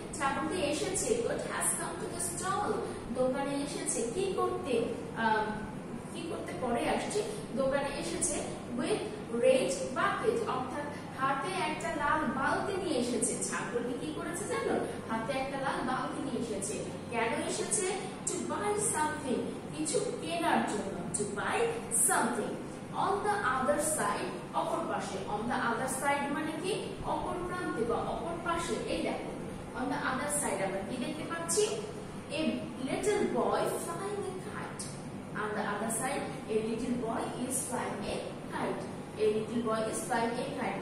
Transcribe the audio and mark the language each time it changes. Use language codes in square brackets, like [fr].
[bn] ছাগলটি এসেছে, [en] goat has come to the stall, [bn] দোকানে এসেছে। কি করতে? কি করতে পরে আসছে? দোকানে এসেছে [en] with red bucket, [bn] অর্থাৎ হাতে একটা লাল বালতি নিয়ে এসেছে। ছাগলটি কি করেছে জানো? হাতে একটা লাল বালতি নিয়ে এসেছে। কেন এসেছে? [en] To buy something, [bn] কিছু কেনার জন্য। [en] To buy something. On the other side, [bn] অপর পাশে। [en] On the other side [bn] মানে কি? অপর প্রান্তে বা অপর পাশে। এই দেখো, [en] on the other side [bn] আমরা কি দেখতে পাচ্ছি? [en] A little boy flying a kite. On the other side, a little boy is flying a kite. A little boy is flying a kite.